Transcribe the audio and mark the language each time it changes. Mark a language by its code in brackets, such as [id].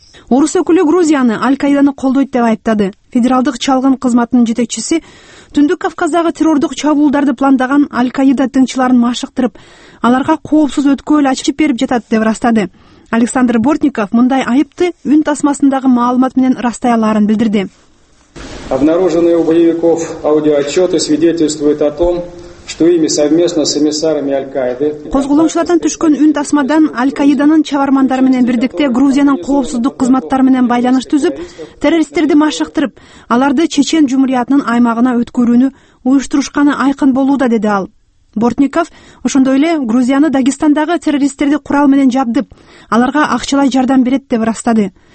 [ky] Орус өкүлү Грузияны Аль-Каиданы колдойт деп айттады. Федералдык чалгын кызматынын жетекчиси Түндүк Кавказдагы террордук чабуулдарды пландаган Аль-Каида тыңчыларын машыктырып, аларга коопсуз өткөл ачып берип жатат деп растады. Александр Бортников мындай айыпты үн тасмасындагы маалымат менен ырастайларын билдирди. [ru] Обнаруженные у боевиков аудиоотчеты свидетельствуют о том, что ими совместно с эмиссарами Аль-Каиды. [ky] Козголоңчулардан түшкөн үн тасмадан Аль-Каиданын чабармандары менен бирдикте Грузиянын коопсуздук кызматтары менен байланыш түзүп, террористтерди машыктырып, аларды Чечен Жумуриятынын аймагына өткөрүүнү уюштурушканы айкын болууда, деди ал. Бортников ошондой эле Грузияны Дагестандагы террористтерди курал менен жабдып, аларга акчалай жардам берет деп ырастады.